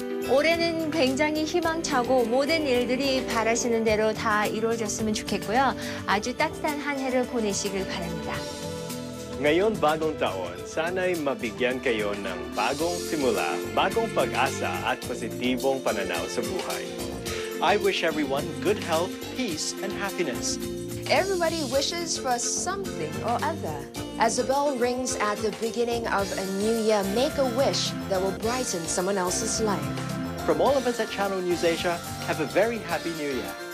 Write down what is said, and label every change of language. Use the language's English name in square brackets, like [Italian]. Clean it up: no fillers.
[Korean] 올해는 굉장히 희망차고 모든 일들이 바라시는 대로 다 이루어졌으면 좋겠고요. 아주 따뜻한 한 해를 보내시길 바랍니다. 내년 [Filipino] bagong taon, sana'y mabigyan kayo ng bagong simula, bagong pag-asa at positibong pananaw sa buhay. [English] I wish everyone good health, peace, and happiness. Everybody wishes for something or other. As the bell rings at the beginning of a new year, make a wish that will brighten someone else's life. From all of us at Channel News Asia, have a very happy new year.